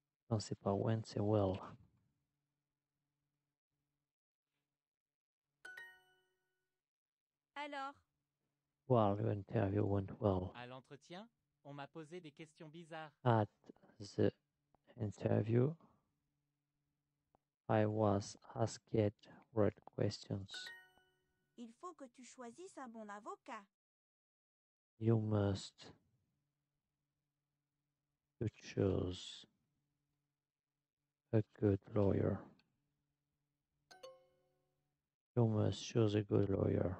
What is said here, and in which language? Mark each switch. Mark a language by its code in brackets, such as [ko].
[fr] Non, c'est pas went, c'est well. Alors? [en] Well, the interview went well. [fr] À l'entretien, on m'a posé des questions bizarres. [en] At the interview, I was asked weird questions. [fr] Il faut que tu choisisses un bon avocat. [en] You must to choose a good lawyer. You must choose a good lawyer.